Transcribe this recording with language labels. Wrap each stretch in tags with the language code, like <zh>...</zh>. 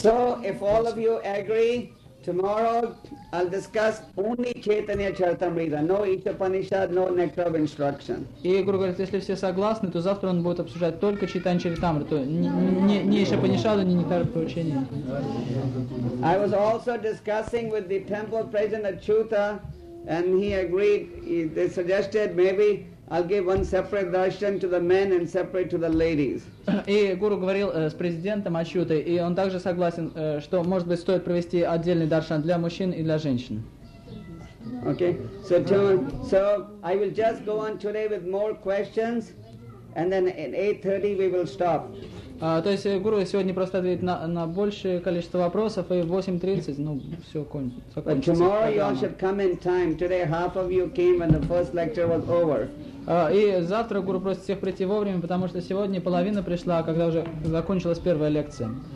<en>So, if all of you agree, tomorrow I'll discuss only Chaitanya Charitamrita, no Isha Upanishad, no nectar of instruction.</en> <ru>И Гуру говорит, если все согласны, то завтра он будет обсуждать только Чайтанья Чаритамриту, ни Исха Панишаду, ни нектар поучения.</ru> <en>I was also discussing with the temple president Achyuta, and he agreed, they suggested maybe I'll give one separate darshan to the men and separate to the ladies.</en> <ru>И Гуру говорил с президентом Ачютой, и он также согласен, что, может быть, стоит провести отдельный даршан для мужчин и для женщин.</ru> <en>Okay. So I will just go on today with more questions, and then at 8:30 we will stop.</en> <ru>То есть Гуру сегодня просто ответит на большее количество вопросов, и в 8:30, ну, все закончится.</ru> <en>But tomorrow you all should come in time. Today half of you came when the first lecture was over.</en> <ru>И завтра Гуру просит всех прийти вовремя, потому что сегодня половина пришла, когда уже закончилась первая лекция.</ru>